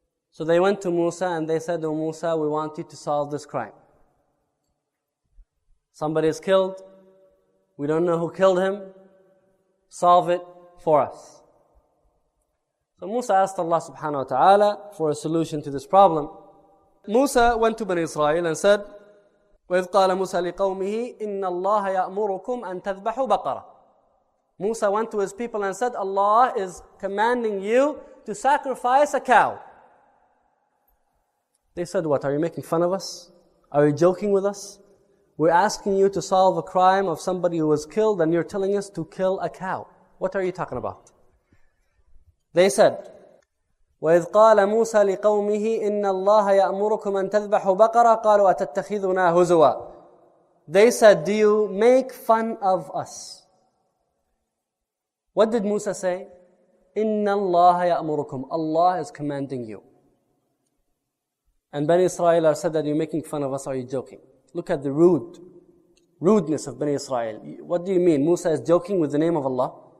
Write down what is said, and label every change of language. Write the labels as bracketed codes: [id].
[en] So they went to Musa and they said, oh Musa, we want you to solve this crime. Somebody is killed. We don't know who killed him. Solve it for us. So Musa asked Allah subhanahu wa ta'ala for a solution to this problem. Musa went to Bani Israel and said, [ar] وَإِذْ قَالَ مُوسَى لِقَوْمِهِ إِنَّ اللَّهَ يَأْمُرُكُمْ أَن تَذْبَحُوا بَقَرَةً. [en] Musa went to his people and said, Allah is commanding you to sacrifice a cow. They said, what, are you making fun of us? Are you joking with us? We're asking you to solve a crime of somebody who was killed and you're telling us to kill a cow. What are you talking about? They said, [ar] وَإِذْ قَالَ مُوسَى لِقَوْمِهِ إِنَّ اللَّهَ يَأْمُرُكُمْ أَن تَذْبَحُوا بَقَرَةً قَالُوا أَتَتَّخِذُنَا هُزُوًا. [en] They said, do you make fun of us? What did Musa say? [ar] إِنَّ اللَّهَ يَأْمُرُكُمْ. [en] Allah is commanding you. And Bani Israel said that you're making fun of us. Are you joking? Look at the rudeness of Bani Israel. What do you mean? Musa is joking with the name of Allah?